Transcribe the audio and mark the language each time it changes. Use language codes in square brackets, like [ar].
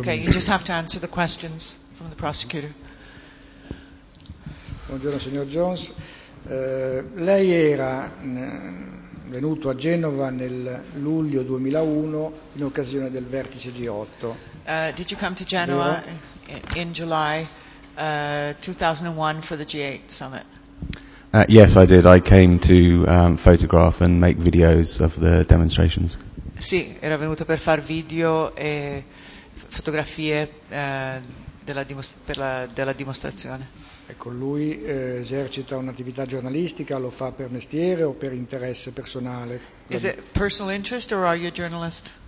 [en] Okay, you just have to answer the questions from the prosecutor. [it] Buongiorno signor Jones. Lei era venuto a Genova nel luglio 2001 in occasione del vertice G8. [en] Did you come to Genoa in July 2001 for the G8 summit? Yes, I did. I came to photograph and make videos of the demonstrations. [it] Sì, era venuto per far video e fotografie della dimostrazione. Ecco, lui esercita un'attività giornalistica, lo fa per mestiere o per interesse personale? [en] Is it personal interest or are you a journalist?